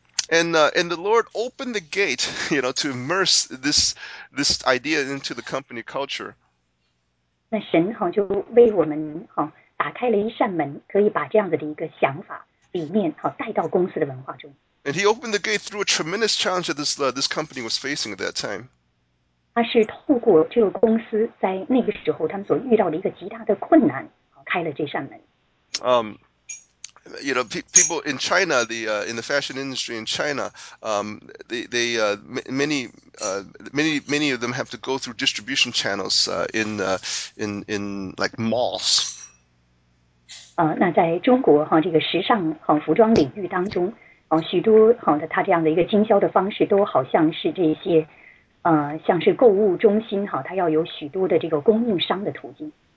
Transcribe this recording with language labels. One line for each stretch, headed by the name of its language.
English: And the Lord opened the gate, you know, to immerse this idea into the company culture.
Chinese: 那神就为我们打开了一扇门，可以把这样子的一个想法理念带到公司的文化中。
English: And he opened the gate through a tremendous challenge that this company was facing at that time.
Chinese: 他是透过这个公司在那个时候他们所遇到的一个极大的困难，开了这扇门。
English: You know, people in China, in the fashion industry in China, many of them have to go through distribution channels in like malls.
Chinese: 那在中国这个时尚服装领域当中，许多的他这样的一个经销的方式都好像是这些，像是购物中心他要有许多的这个供应商的途径。